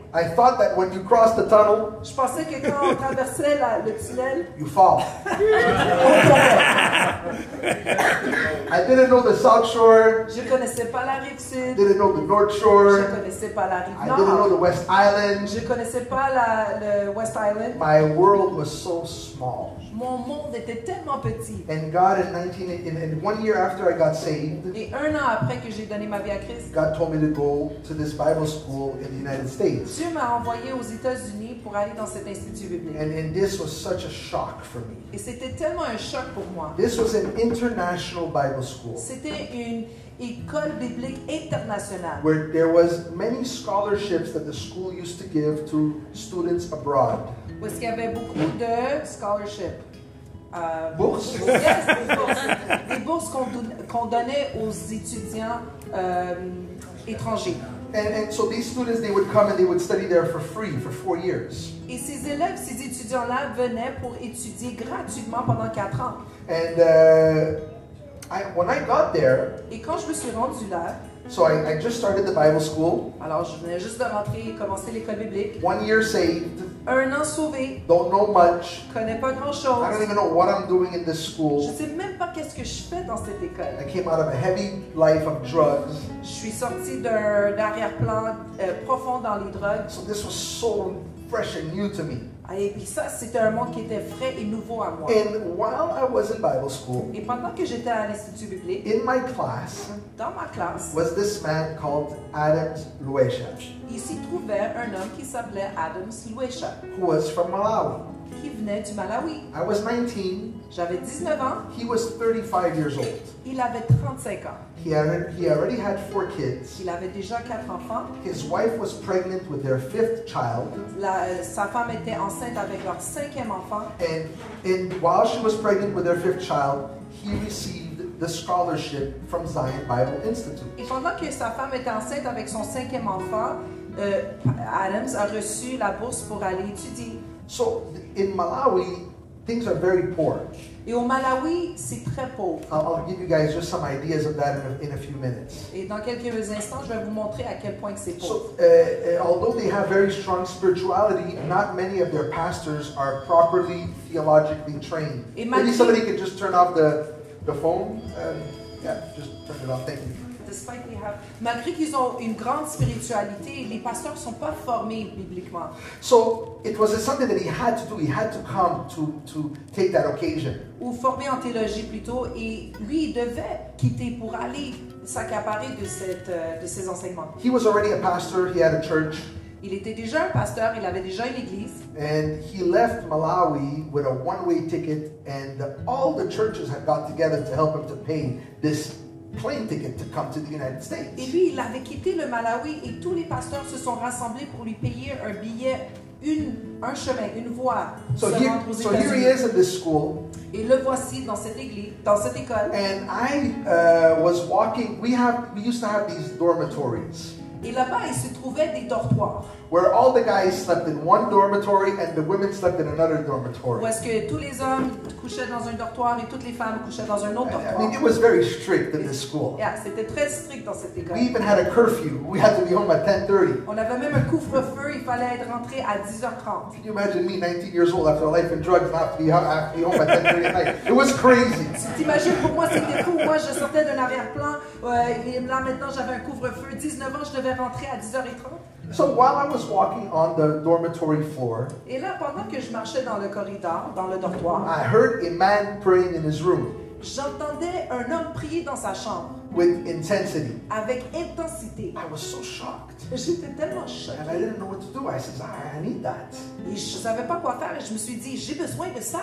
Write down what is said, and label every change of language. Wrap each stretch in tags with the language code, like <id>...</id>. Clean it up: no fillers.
<en>I thought that when you cross the tunnel.</en> <fr>Je pensais que quand on traversait le tunnel.</fr> <en>You fall. I didn't know the South Shore.</en> <fr>Je connaissais pas la rive sud.</fr> <en>Didn't know the North Shore.</en> <fr>Je connaissais pas la rive nord.</fr> <en>I didn't know the West Island.</en> <fr>Je connaissais pas le West Island.</fr> <en>My world was so small.</en> <fr>Mon monde était tellement petit.</fr> <en>And God, in 1 year after I got saved.</en> <fr>Et un an après que j'ai donné ma vie à Christ.</fr> <en>God told me to go to this Bible school in the United States.</en> <fr>Dieu m'a envoyé aux États-Unis pour aller dans cet institut biblique.</fr> <en>And this was such a shock for me.</en> <fr>Et c'était tellement un choc pour moi.</fr> <en>This was an international Bible school.</en> <fr>C'était une école biblique internationale.</fr> <en>Where there was many scholarships that the school used to give to students abroad.</en> <fr>Où est-ce qu'il y avait beaucoup de scholarships? Bourses? Yes, des bourses. Des bourses qu'on donnait aux étudiants étrangers.</fr> <en>And so these students, they would come and they would study there for free for 4 years.</en> <fr>Et ces élèves, ces étudiants-là venaient pour étudier gratuitement pendant 4 ans.</fr> <en>And when I got there,</en> <fr>et quand je me suis rendu là,</fr> <en>so I just started the Bible school.</en> <fr>Alors je venais juste de rentrer et commencer l'école biblique.</fr> <en>1 year saved.</en> <fr>Un an sauvé.</fr> <en>Don't know much.</en> <fr>Connais pas grand chose.</fr> <en>I don't even know what I'm doing in this school.</en> <fr>Je sais même pas qu'est-ce que je fais dans cette école.</fr> <en>I came out of a heavy life of drugs.</en> <fr>Je suis sorti d'un arrière-plan profond dans les drogues.</fr> <en>So this was so fresh and new to me.</en> <fr>Et puis ça, c'était un monde qui était frais et nouveau à moi.</fr> <en>And while I was in Bible school,</en> <fr>et pendant que j'étais à l'Institut biblique,</fr> <en>in my class,</en> <fr>dans ma classe,</fr> <en>was this man called Adam Lueshach.</en> <fr>Il s'y trouvait un homme qui s'appelait Adam Lueshach,</fr> <en>who was from Malawi.</en> <fr>Qui venait du Malawi.</fr> <en>I was 19.</en> <fr>J'avais 19 ans.</fr> <en>He was 35 years old.</en> <fr>Il avait 35 ans.</fr> <en>He already had 4 kids.</en> <fr>Il avait déjà 4 enfants.</fr> <en>His wife was pregnant with their 5th child.</en> <fr>Sa femme était enceinte avec leur 5e enfant.</fr> <en>And while she was pregnant with their 5th child, he received the scholarship from Zion Bible Institute.</en> <fr>Et pendant que sa femme était enceinte avec son 5e enfant, Adams a reçu la bourse pour aller étudier.</fr> <en>So in Malawi, things are very poor.</en> <fr>Et au Malawi, c'est très pauvre.</fr> <en>I'll give you guys just some ideas of that in a few minutes.</en> <fr>Et dans quelques instants, je vais vous montrer à quel point que c'est pauvre.</fr> <en>So, although they have very strong spirituality, not many of their pastors are properly theologically trained.</en> <fr>Et malgré...</fr> <en>Maybe somebody could just turn off the phone. Just turn it off. Thank you.</en> <fr>Malgré qu'ils ont une grande spiritualité, les pasteurs ne sont pas formés bibliquement.</fr> <en>So it was something that he had to do. He had to come to take that occasion.</en> <fr>Ou formé en théologie plutôt, et lui il devait quitter pour aller s'accaparer de ces enseignements.</fr> <en>He was already a pastor. He had a church.</en> <fr>Il était déjà un pasteur. Il avait déjà une église.</fr> <en>And he left Malawi with a one-way ticket, and all the churches had got together to help him to pay this plane ticket to come to the United States.</en> <fr>Et lui, il avait quitté le Malawi et tous les pasteurs se sont rassemblés pour lui payer un billet, un chemin, une voie.</fr> <en>So here he is at this school.</en> <fr>Et le voici dans cette église, dans cette école.</fr> <en>And I was walking. We used to have these dormitories.</en> <fr>Et là-bas, il se trouvait des dortoirs.</fr> <en>Where all the guys slept in one dormitory and the women slept in another dormitory.</en> <fr>Où est-ce que tous les hommes couchaient dans un dortoir et toutes les femmes couchaient dans un autre dortoir.</fr> <en>I mean, it was very strict in this school.</en> <fr>Yeah, c'était très strict dans cette école.</fr> <en>We even had a curfew. We had to be home at 10:30.</en> <fr>On avait même un couvre-feu. Il fallait être rentré à 10h30.</fr> <en>Can you imagine me, 19 years old, after a life in drugs, not to be home at 10:30 at night? It was crazy.</en> <fr>T'imagines, pour moi, c'était fou. Moi, je sortais d'un arrière-plan. Et là, maintenant, j'avais un couvre-feu. 19 ans, je devais rentrer à 10h30.</fr> <en>So while I was walking on the dormitory floor,</en> <fr>et là, pendant que je marchais dans le corridor, dans le dortoir,</fr> <en>I heard a man praying in his room.</en> <fr>J'entendais un homme prier dans sa chambre.</fr> <en>With intensity.</en> <fr>Avec intensité.</fr> <en>I was so shocked.</en> <fr>J'étais tellement choquée.</fr> <en>And I didn't know what to do. I said, I need that.</en> <fr>Et je savais pas quoi faire. Et je me suis dit, j'ai besoin de ça.</fr>